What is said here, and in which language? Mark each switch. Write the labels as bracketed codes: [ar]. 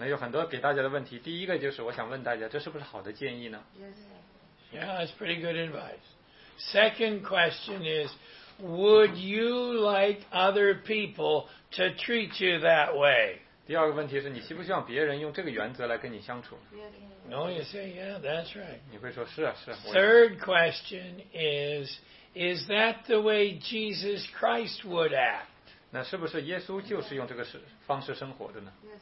[zh] 那有很多给大家的问题，第一个就是我想问大家， 这是不是好的建议呢？ [en] Yeah, that's pretty good advice. Second question is, would you like other people to treat you that way? [zh] 第二个问题是你希不希望别人用这个原则来跟你相处？ [en] No, you say, yeah, that's right. [zh] 你会说是啊，是啊。 [en] Third question is that the way Jesus Christ would act? [zh] 那是不是耶稣就是用这个方式生活的呢？